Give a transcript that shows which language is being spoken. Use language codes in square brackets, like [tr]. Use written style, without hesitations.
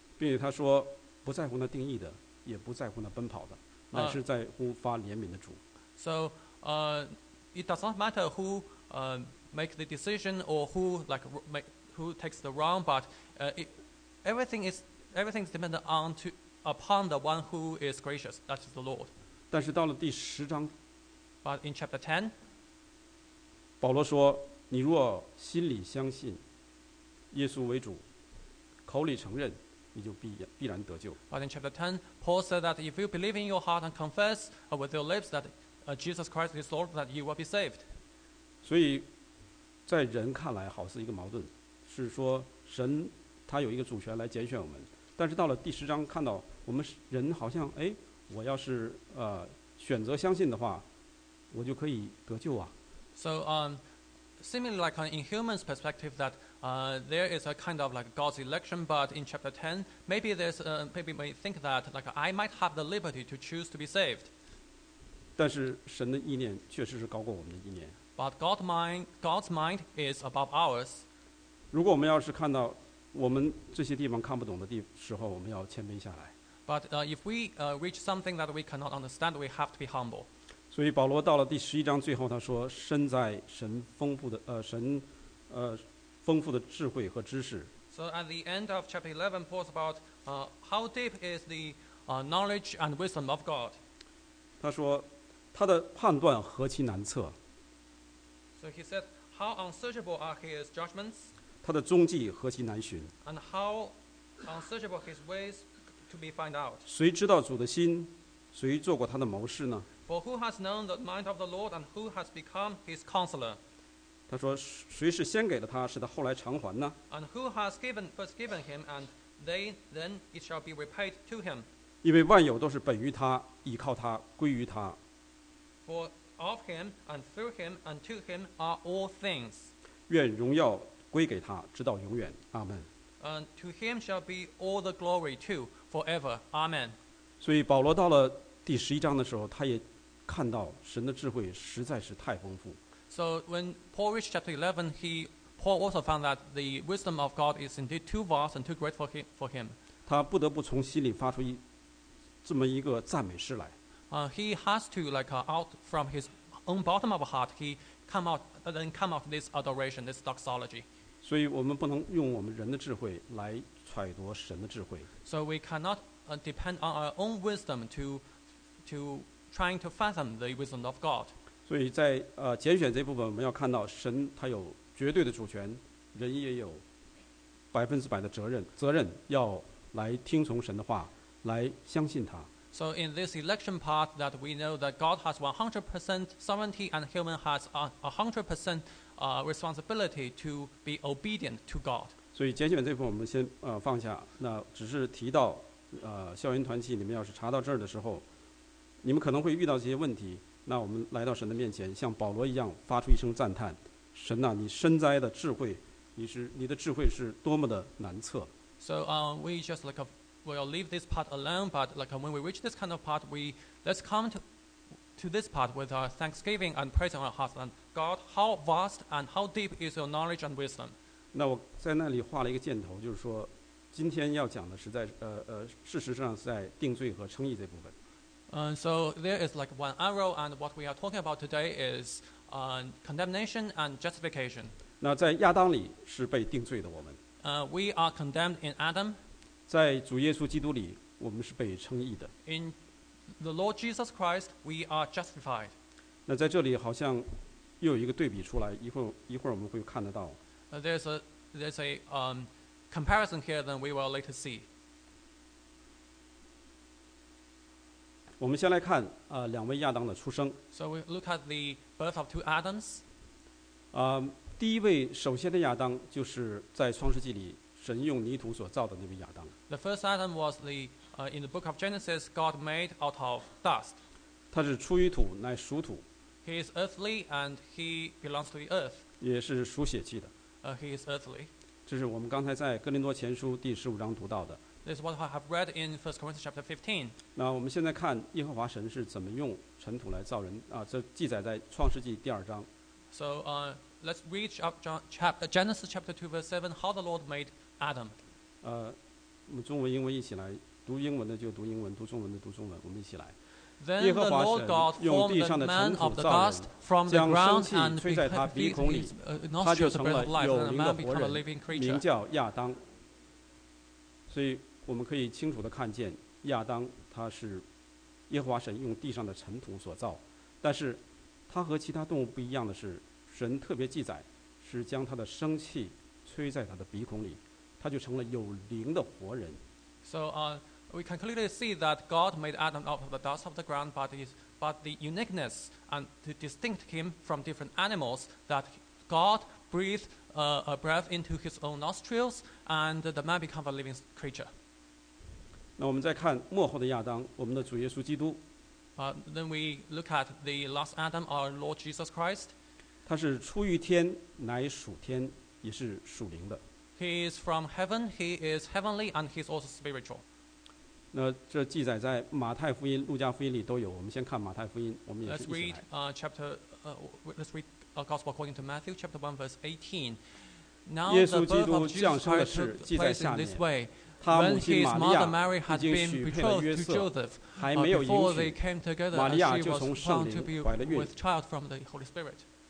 [zh] 并且他说不在乎那定义的，也不在乎那奔跑的，乃是在乎发怜悯的主。 [en] So it does not matter who make the decision or who takes the wrong, but everything is dependent upon the one who is gracious, that is the Lord. [zh] 但是到了第十章， [en] but in chapter 10, [zh] 保罗说，你若心里相信耶稣为主，口里承认，你就必然得救。 [en] But in chapter 10, Paul said that if you believe in your heart and confess with your lips that Jesus Christ is Lord, that you will be saved. [zh] 所以在人看来好似一个矛盾，是说神他有一个主权来拣选我们，但是到了第十章看到我们人好像哎，我要是选择相信的话我就可以得救啊。 [en] So seemingly like an inhuman's perspective that there is a kind of like God's election, but in chapter 10 maybe there's maybe may think that like I might have the liberty to choose to be saved. [zh] 但是神的意念确实是高过我们的意念。 [en] But God's mind is above ours. [zh] 如果我们要是看到我们这些地方看不懂的时候，我们要谦卑下来。 [en] But if we reach something that we cannot understand, we have to be humble. [zh] 所以保罗到了第十一章最后，他说：“身在神丰富的神丰富的智慧和知识。” [en] So at the end of chapter 11, Paul talks about how deep is the knowledge and wisdom of God. [zh] 他说：“他的判断何其难测。” [en] So he said, "How unsearchable are his judgments?" [zh] 他的踪迹何其难寻。 [en] And how unsearchable his ways to be found out? [zh] 谁知道主的心？谁做过他的谋士呢？ [en] For who has known the mind of the Lord, and who has become his counselor? [zh] 他说，谁是先给了他，使他后来偿还呢？ [en] And who has given first given him, and they then it shall be repaid to him? [zh] 因为万有都是本于他，倚靠他，归于他。 [en] For of him and through him and to him are all things. [zh] 愿荣耀归给他，直到永远。阿门。 [en] And to him shall be all the glory too, forever. Amen. [zh] 所以保罗到了第十一章的时候，他也看到神的智慧实在是太丰富。 [en] So when Paul reached chapter 11, Paul also found that the wisdom of God is indeed too vast and too great for him. [zh] 他不得不从心里发出这么一个赞美诗来。 [en] He has to out from his own bottom of heart, he come out this adoration, this doxology. [zh] 所以我们不能用我们人的智慧来揣度神的智慧。 [en] So we cannot depend on our own wisdom to trying to fathom the wisdom of God. [zh] 所以在拣选这部分，我们要看到神他有绝对的主权，人也有百分之百的责任，要来听从神的话，来相信他。 [en] So in this election part that we know that God has 100% sovereignty and human has 100% responsibility to be obedient to God. [zh] 所以拣选这部分我们先放下，那只是提到校园团契，你们要是查到这儿的时候，你们可能会遇到这些问题，那我们来到神的面前，像保罗一样发出一声赞叹，神哪，你深哉的智慧，你的智慧是多么的难测。 [en] So we just like we'll leave this part alone, but like when we reach this kind of part, let's come to this part with our thanksgiving and praise in our hearts. And God, how vast and how deep is your knowledge and wisdom? [zh] 那我在那里画了一个箭头，就是说，今天要讲的是在事实上是在定罪和称义这部分。 [en] So there is like one arrow, and what we are talking about today is condemnation and justification. [zh] 那在亚当里是被定罪的我们。 [en] We are condemned in Adam. [zh] 在主耶稣基督里，我们是被称义的。 [en] In the Lord Jesus Christ, we are justified. [zh] 那在这里好像又有一个对比出来，一会儿我们会看得到。 [en] There's a comparison here that we will later see. [zh] 我们先来看两位亚当的出生。 [en] So we look at the birth of two Adams. [zh] 第一位首先的亚当就是在创世纪里神用泥土所造的那位亚当。 [en] The first Adam was the in the book of Genesis God made out of dust. [zh] 他是出于土，乃属土。 [en] He is earthly and he belongs to the earth. [zh] 也是属血气的。 [en] He is earthly. [zh] 这是我们刚才在哥林多前书第十五章读到的。 [en] This is what I have read in 1 Corinthians chapter 15. [zh] 那我们现在看耶和华神是怎么用尘土来造人啊？这记载在创世纪第二章。 [en] So let's read Genesis chapter 2 verse 7, how the Lord made Adam. [zh] 我们中文英文一起来，读英文的就读英文，读中文的读中文，我们一起来。 [en] Then the Lord God formed the man of the dust from the ground and breathed into his nostrils the breath of life, and the man became a living creature. [zh] 名叫亚当。所以我们可以清楚地看见亚当他是耶和华神用地上的尘土所造，但是他和其他动物不一样的是，神特别记载是将他的生气吹在他的鼻孔里，他就成了有灵的活人。 [en] So, we can clearly see that God made Adam out of the dust of the ground, but the uniqueness and to distinct him from different animals that God breathed a breath into his own nostrils, and the man became a living creature. [zh] 那我们再看末后的亚当，我们的主耶稣基督。 [en] Then we look at the last Adam, our Lord Jesus Christ. [zh] 他是出于天，乃属天，也是属灵的。 [en] He is from heaven, he is heavenly, and he is also spiritual. [zh] 那这记载在马太福音、路加福音里都有。我们先看马太福音，我们也是一起来。 [en] Let's read a gospel according to Matthew chapter 1 verse 18. Now the birth of Jesus Christ took place in this way. When his mother Mary had been betrothed to Joseph, before they came together, she was found to be with child from the Holy Spirit.